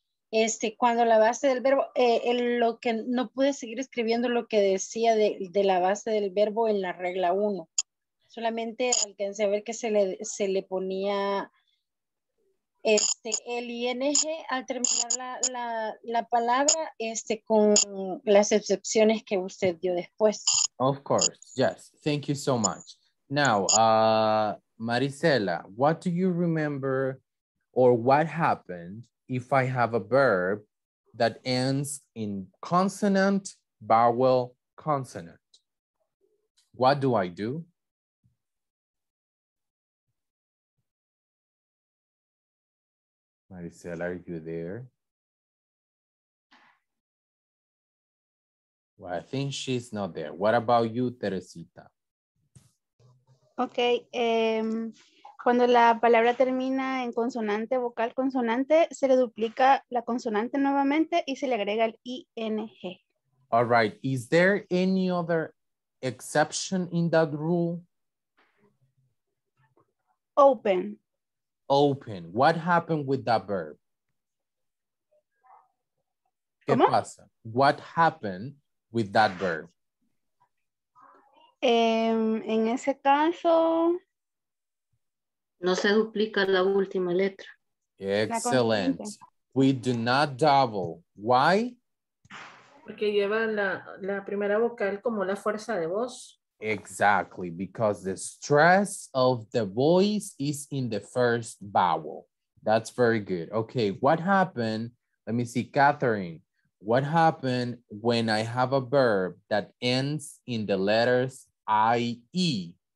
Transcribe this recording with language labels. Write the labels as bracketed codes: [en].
[es] Este, cuando la base del verbo, lo que no pude seguir escribiendo lo que decía de la base del verbo en la regla 1. Solamente alcancé a ver que se le ponía este, el ing al terminar la palabra este, con las excepciones que usted dio después. [en] Of course, yes. Thank you so much. Now, Marisela, what do you remember or what happened if I have a verb that ends in consonant, vowel, consonant? What do I do? Marisela, are you there? Well, I think she's not there. What about you, Teresita? [es] Ok, cuando la palabra termina en consonante, vocal, consonante, se le duplica la consonante nuevamente y se le agrega el ing. [en] All right, is there any other exception in that rule? Open. Open. What happened with that verb? [es] ¿Cómo? ¿Qué pasa? [en] What happened with that verb? [es] En ese caso, no se duplica la última letra. [en] Excellent. We do not double. Why? [es] Porque lleva la primera vocal como la fuerza de voz. [en] Exactly. Because the stress of the voice is in the first vowel. That's very good. Okay. What happened? Let me see, Catherine. What happened when I have a verb that ends in the letters IE?